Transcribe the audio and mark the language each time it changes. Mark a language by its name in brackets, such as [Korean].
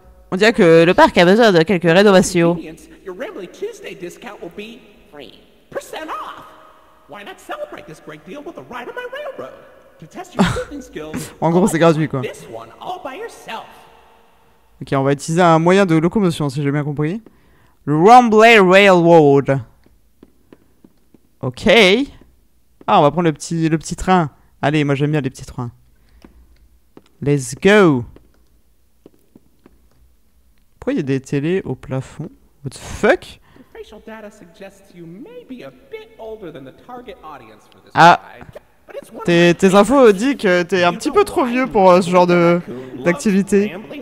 [French] On dirait que le parc a besoin de quelques rénovations. [English] Your Rambly Tuesday discount will be 3% off. Why not celebrate this great deal with a ride on my railroad? To test your cooking skills. [French] En gros, c'est gratuit, quoi. [English] This one all by yourself. [French] Ok, on va utiliser un moyen de locomotion, si j'ai bien compris. Rumbly Railroad. Ok. Ah, on va prendre le petit train. Allez, moi j'aime bien les petits trains. [English] Let's go. [French] Pourquoi il y a des télés au plafond? [English] What the fuck? Facial data suggests you may be a bit older than the target audience for this guy. Ah. [French] Tes infos disent que t'es un petit peu trop vieux pour ce genre d'activité.